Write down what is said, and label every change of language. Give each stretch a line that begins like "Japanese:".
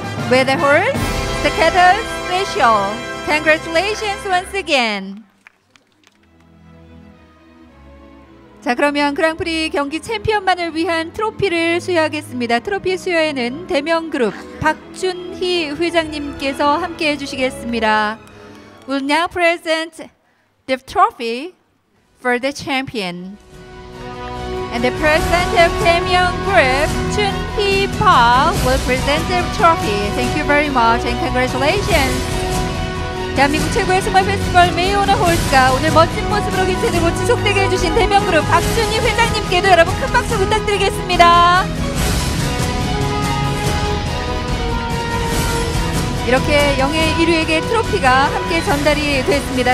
English: With the horse, the Cattle Special. Congratulations once again.
Korean: 자, 그러면 그랑프리 경기 챔피언만을 위한 트로피를 수여하겠습니다. 트로피 수여에는 대명 그룹 박준희 회장님께서 함께해 주시겠습니다.
English: We'll now present the trophy for the champion. And the president of Taemyeong Group, Chun Hee Park, will present the trophy. Thank you very much and congratulations.
Korean: 대한민국 최고의 스마 페스티벌 May on a Horse가 오늘 멋진 모습으로 개최되고 지속되게 해주신 대명그룹 박준희 회장님께도 여러분 큰 박수 부탁드리겠습니다. 이렇게 영예 1위에게 트로피가 함께 전달이 됐습니다.